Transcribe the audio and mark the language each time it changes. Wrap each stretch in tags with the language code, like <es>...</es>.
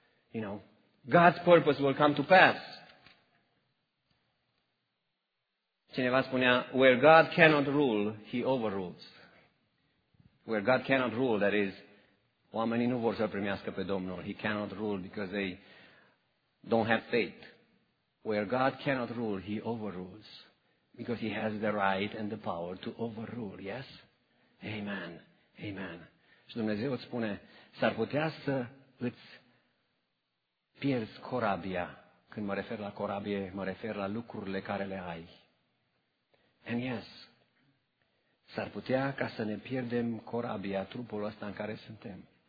<en>You know, God's purpose will come to pass.</en> <ro>Cineva spunea,</ro> <en>where God cannot rule, He overrules. Where God cannot rule, that is,</en> <ro>oamenii nu vor să-L primească pe Domnul.</ro> <en>He cannot rule because they don't have faith. Where God cannot rule, He overrules. Because He has the right and the power to overrule, yes? Amen. Amen.</en> <ro>Și Dumnezeu îți spune, s-ar putea să îți pierzi corabia. Când mă refer la corabie, mă refer la lucrurile care le ai.</ro> <en>And yes,</en> <ro>s-ar putea ca să ne pierdem corabia, trupul ăsta în care suntem.</ro>